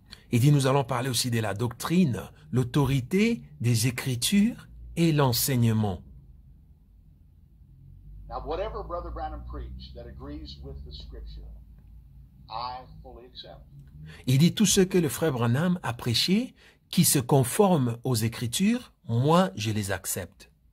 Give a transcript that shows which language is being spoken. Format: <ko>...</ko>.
<fr>Il dit, nous allons parler aussi de la doctrine, l'autorité des Écritures et l'enseignement.</fr> <en>Now, whatever Brother Branham preached that agrees with the scripture, I fully accept.</en> <fr>Il dit, tout ce que le frère Branham a prêché, qui se conforme aux Écritures, moi, je les accepte.</fr>